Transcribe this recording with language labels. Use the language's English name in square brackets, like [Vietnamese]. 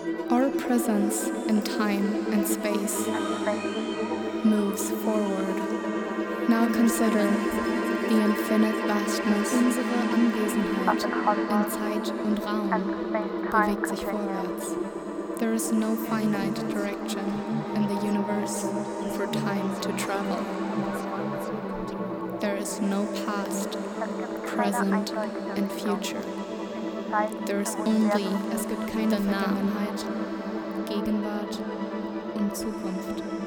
[English] Our presence in time and space moves forward. Now consider the infinite vastness. [German] Unsere Anwesenheit in Zeit und Raum bewegt sich vorwärts. [English] There is no finite direction in the universe for time to travel. There is no past, present and future. There is only the now, [German] Gegenwart und Zukunft.